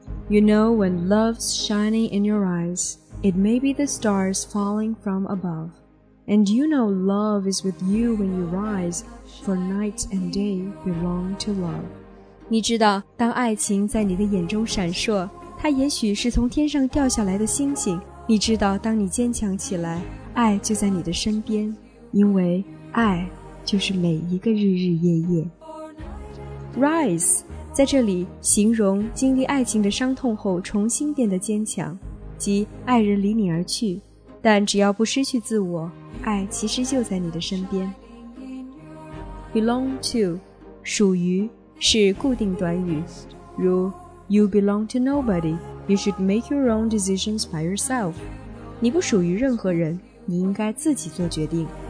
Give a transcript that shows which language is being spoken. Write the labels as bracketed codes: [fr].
[en] You know when love's shining in your eyes, it may be the stars falling from above. And you know love is with you when you rise, for night and day belong to love. [zh] 你知道，当爱情在你的眼中闪烁，它也许是从天上掉下来的星星。你知道，当你坚强起来，爱就在你的身边，因为爱就是每一个日日夜夜。 [en] Rise. [zh] 在这里形容经历爱情的伤痛后重新变得坚强，即爱人离你而去，但只要不失去自我，爱其实就在你的身边。 [en] Belong to [zh] 属于是固定短语，如 [en] You belong to nobody, you should make your own decisions by yourself. [zh] 你不属于任何人，你应该自己做决定。